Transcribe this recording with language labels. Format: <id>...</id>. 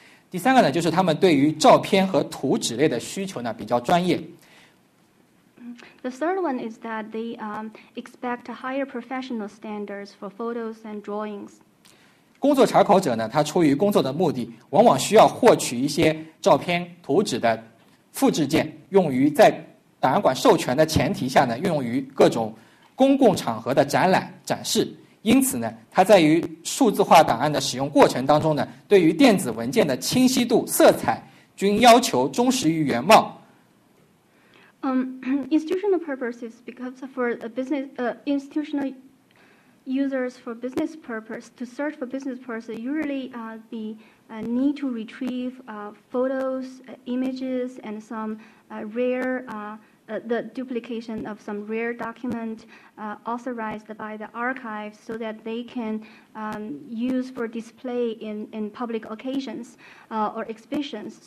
<zh>第三个呢，就是他们对于照片和图纸类的需求呢比较专业。</zh> <en>The third one is that they expect higher professional standards for photos and drawings.</en> <zh>工作查考者呢，他出于工作的目的，往往需要获取一些照片、图纸的复制件，用于在档案馆授权的前提下呢，用于各种公共场合的展览展示。因此呢，他在于数字化档案的使用过程当中呢，对于电子文件的清晰度、色彩均要求忠实于原貌。</zh> <en>Institutional purposes, because for a business, institutional users for business purpose, to search for business purpose, usually the need to retrieve photos, images, and some rare, the duplication of some rare document authorized by the archives so that they can use for display in public occasions or exhibitions.</en>